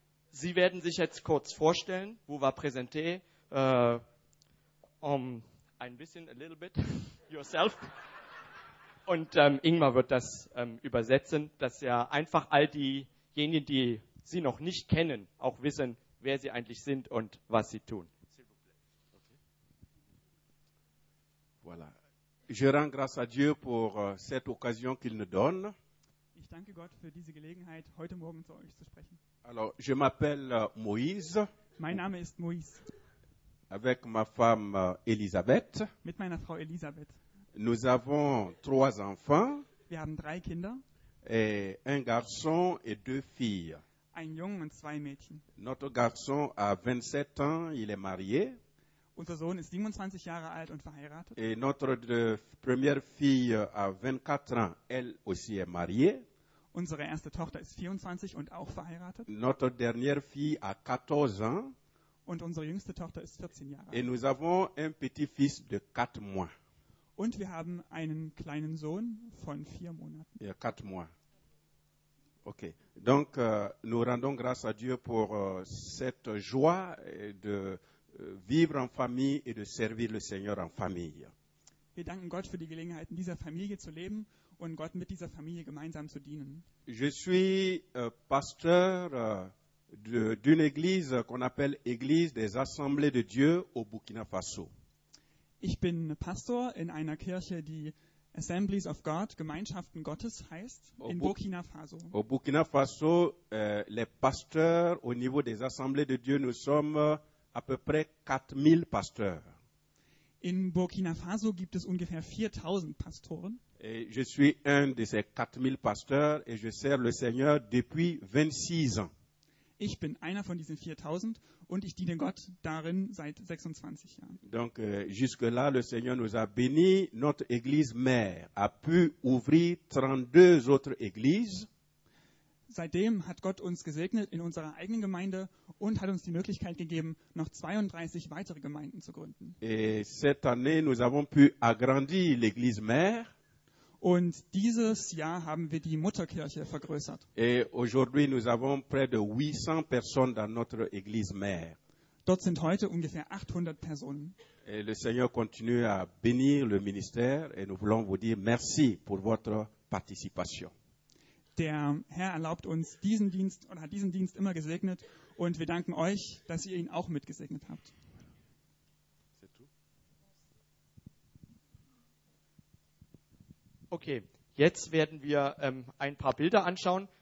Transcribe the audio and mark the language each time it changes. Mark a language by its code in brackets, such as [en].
[de] Sie werden sich jetzt kurz vorstellen, [fr] vous va présenter, [de] ein bisschen, [en] a little bit, yourself. [de] Und Ingmar wird das übersetzen, dass ja einfach all diejenigen, die Sie noch nicht kennen, auch wissen, wer Sie eigentlich sind und was Sie tun. [fr] Voilà. Je rends grâce à Dieu pour cette occasion qu'il nous donne. [de] Ich danke Gott für diese Gelegenheit, heute Morgen zu euch zu sprechen. [fr] Alors, je m'appelle Moïse. [de] Mein Name ist Moïse. [fr] Avec ma femme Elisabeth. [de] Mit meiner Frau Elisabeth. [fr] Nous avons trois enfants. [de] Wir haben drei Kinder. [fr] Et un garçon et deux filles. [de] Ein Junge und zwei Mädchen. [fr] Notre garçon a 27 ans, il est marié. [de] Unser Sohn ist 27 Jahre alt und verheiratet. [fr] Et notre première fille a 24 ans, elle aussi est mariée. [de] Unsere erste Tochter ist 24 und auch verheiratet. [fr] Notre dernière fille a 14 ans. [de] Und unsere jüngste Tochter ist 14 Jahre alt. [fr] Et nous avons un petit-fils de 4 mois. [de] Und wir haben einen kleinen Sohn von 4 Monaten. [fr] Ja, 4 mois. Okay. Donc, nous rendons grâce à Dieu pour cette joie de vivre en famille et de servir le Seigneur en famille. [de] Wir danken Gott für die Gelegenheit, in dieser Familie zu leben und Gott mit dieser Familie gemeinsam zu dienen. [fr] Je suis pasteur d'une église qu'on appelle Église des Assemblées de Dieu au Burkina Faso. [de] Ich bin Pastor in einer Kirche, die Assemblies of God, Gemeinschaften Gottes heißt, in Burkina Faso. [fr] Au Burkina Faso, les pasteurs au niveau des Assemblées de Dieu, nous sommes à peu près 4000 pasteurs. [de] In Burkina Faso gibt es ungefähr 4000 Pastoren. [fr] Et je suis un de ces 4000 pasteurs et je sers le Seigneur depuis 26 ans. [de] Ich bin einer von diesen 4000 und ich diene Gott darin seit 26 Jahren. [fr] Donc jusque-là le Seigneur nous a béni, notre église mère a pu ouvrir 32 autres églises. [de] Seitdem hat Gott uns gesegnet in unserer eigenen Gemeinde und hat uns die Möglichkeit gegeben, noch 32 weitere Gemeinden zu gründen. [fr] Et cette année nous avons pu agrandir l'église mère. [de] Und dieses Jahr haben wir die Mutterkirche vergrößert. [fr] Et aujourd'hui nous avons près de 800 personnes dans notre église mère. [de] Dort sind heute ungefähr 800 Personen. [fr] Et le Seigneur continue à bénir le ministère et nous voulons vous dire merci pour votre participation. [de] Der Herr erlaubt uns diesen Dienst und hat diesen Dienst immer gesegnet und wir danken euch, dass ihr ihn auch mitgesegnet habt. Okay, jetzt werden wir ein paar Bilder anschauen.